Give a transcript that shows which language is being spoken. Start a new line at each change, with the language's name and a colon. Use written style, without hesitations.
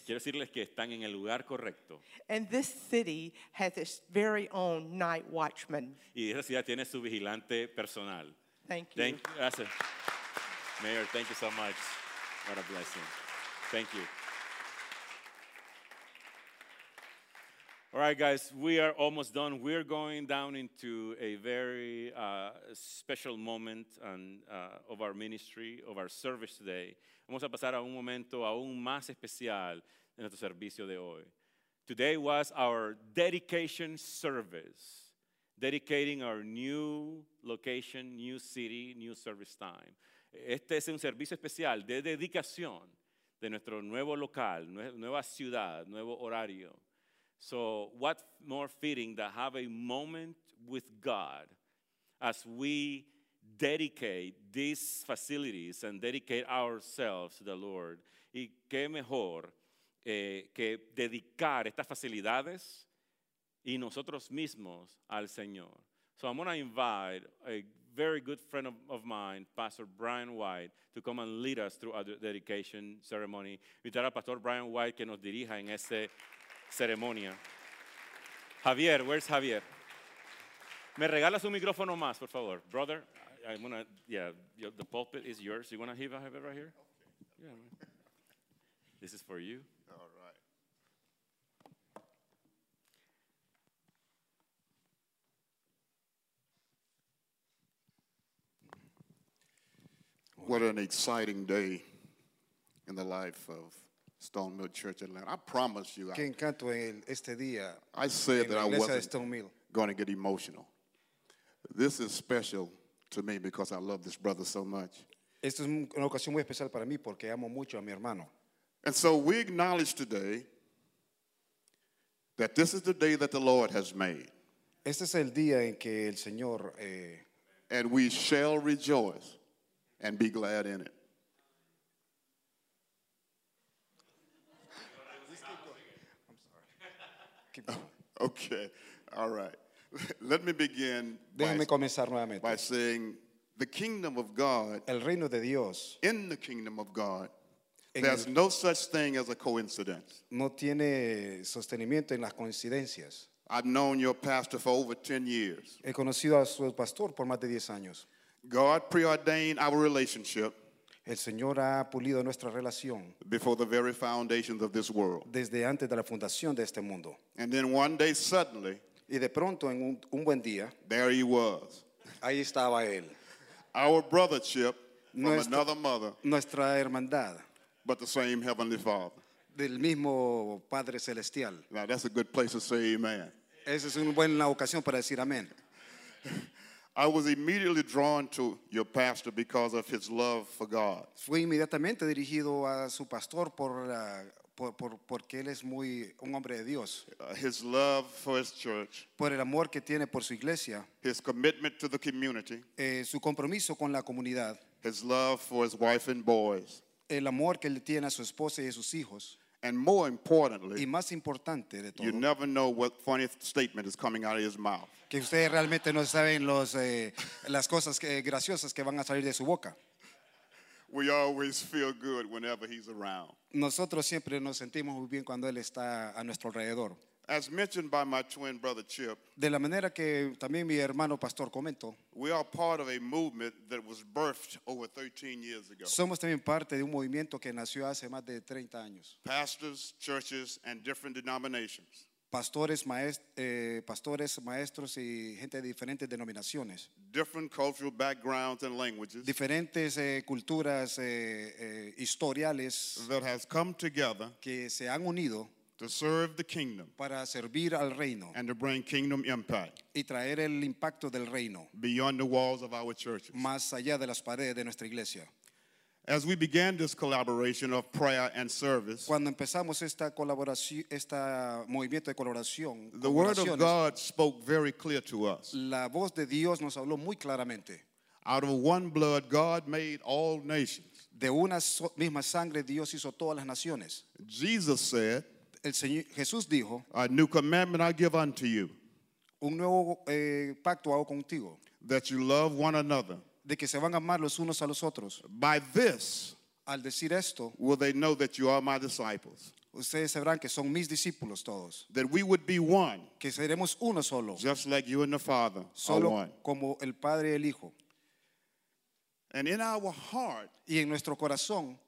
Spanish: Quiero decirles que están en el lugar correcto.
English: And this city has its very own night watchman.
Spanish: Y esa ciudad tiene su vigilante personal.
English: Thank you. Thank you. Gracias. Mayor, thank you so much. What a blessing. Thank you. All right, guys, we are almost done. We're going down into a very special moment of our ministry, of our service today.
Spanish: Vamos a pasar a un momento aún más especial en nuestro servicio de hoy.
English: Today was our dedication service, dedicating our new location, new city, new service time.
Spanish: Este es un servicio especial de dedicación de nuestro nuevo local, nueva ciudad, nuevo horario.
English: So what more fitting to have a moment with God as we dedicate these facilities and dedicate ourselves to the Lord.
Spanish: Y qué mejor que dedicar estas facilidades y nosotros mismos al Señor.
English: So I'm going to invite a very good friend of mine, Pastor Brian White, to come and lead us through our dedication ceremony.
Spanish: Invitar a Pastor Brian White que nos dirija en ese ceremonia.
English: Javier, where's Javier?
Spanish: ¿Me regalas un micrófono más, por favor?
English: Brother, I'm gonna, the pulpit is yours. You wanna have it right here? Okay. Yeah, man. This is for you. All right. What an exciting day in the life of Stone Mill Church Atlanta. I promise you, I said that I wasn't going to get emotional. This is special to me because I love this brother so much.
Spanish: Esto es una ocasión muy especial para mí porque amo mucho a mi hermano.
English: And so we acknowledge today that this is the day that the Lord has made.
Spanish: Este es el día en que el Señor
English: and we shall rejoice and be glad in it. Okay, all right. Let me begin by saying the kingdom of God,
Spanish: el reino de Dios,
English: in the kingdom of God, there's no such thing as a coincidence.
Spanish: No tiene sostenimiento en las coincidencias.
English: I've known your pastor for over 10 years.
Spanish: He conocido a su pastor por más de 10 años.
English: God preordained our relationship.
Spanish: El Señor ha pulido nuestra relación
English: before the very foundations of this world.
Spanish: Desde antes de la fundación de este mundo.
English: And then one day suddenly,
Spanish: y de pronto en un buen día,
English: there he was.
Spanish: Ahí estaba él.
English: Our brothership from another mother.
Spanish: Nuestra hermandad.
English: But the same heavenly Father.
Spanish: Del mismo Padre Celestial.
English: Now that's a good place to say amen.
Spanish: Esa es una buena ocasión para decir amén.
English: I was immediately drawn to your pastor because of his love for God.
Spanish: Fui inmediatamente dirigido a su pastor porque él es muy un hombre de Dios.
English: His love for his church.
Spanish: Por el amor que tiene por su iglesia.
English: His commitment to the community.
Spanish: Su compromiso con la comunidad.
English: His love for his wife and boys.
Spanish: El amor que él tiene a su esposa y a sus hijos.
English: And more importantly,
Spanish: y más importante de todo,
English: you never know what funny statement is coming out of his mouth.
Spanish: Que ustedes realmente no saben las cosas graciosas que van a salir de su boca.
English: We always feel good whenever he's around.
Spanish: Nosotros siempre nos sentimos muy bien cuando él está a nuestro alrededor.
English: As mentioned by my twin brother Chip,
Spanish: de la manera que también mi hermano pastor comentó,
English: we are part of a movement that was birthed over 13 years ago.
Spanish: Somos también parte de un movimiento que nació hace más de 30 años.
English: Pastors, churches, and different denominations.
Spanish: Pastores, maestros y gente de diferentes denominaciones.
English: Different cultural backgrounds and languages.
Spanish: Diferentes culturas historiales.
English: That has come together.
Spanish: Que se han unido.
English: To serve the kingdom.
Spanish: Para servir al reino.
English: And to bring kingdom impact.
Spanish: Y traer el impacto del reino.
English: Beyond the walls of our churches.
Spanish: Más allá de las paredes de nuestra iglesia.
English: As we began this collaboration of prayer and service,
Spanish: cuando empezamos esta colaboración, este movimiento de colaboración,
English: the word of God spoke very clear to us.
Spanish: La voz de Dios nos habló muy claramente.
English: Out of one blood, God made all nations.
Spanish: De una misma sangre, Dios hizo todas las naciones.
English: Jesus said,
Spanish: el Señor Jesús dijo,
English: a new commandment I give unto you.
Spanish: Un nuevo pacto hago contigo.
English: That you love one another.
Spanish: De que se van a amar los unos a los otros.
English: By this,
Spanish: al decir esto,
English: will they know that you are my disciples.
Spanish: Ustedes sabrán que son mis discípulos todos.
English: That we would be one.
Spanish: Que seremos uno solo.
English: Just like you and the Father
Spanish: solo
English: are one.
Spanish: Como el Padre y el Hijo.
English: And in our heart,
Spanish: y en nuestro corazón,